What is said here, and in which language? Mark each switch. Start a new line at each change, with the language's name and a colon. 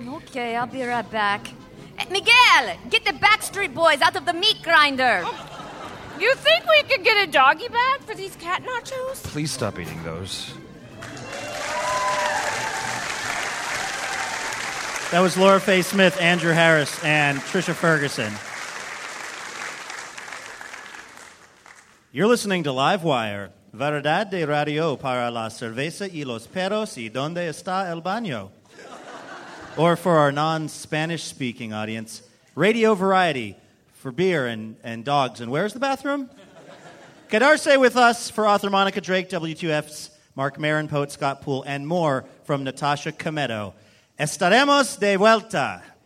English: Okay, I'll be right back. Miguel, get the Backstreet Boys out of the meat grinder. You think we could get a doggy bag for these cat nachos? Please stop eating those. That was Laura Faye Smith, Andrew Harris, and Trisha Ferguson. You're listening to Live Wire,
Spanish: Verdad de Radio para la cerveza y los perros y donde está el baño.
English: Or for our non-Spanish-speaking audience, radio variety for beer and dogs. And where's the bathroom? Quedarse with us for author Monica Drake, W2F's Mark Maron, poet Scott Poole, and more from Natasha Cometo.
Spanish: Estaremos de vuelta.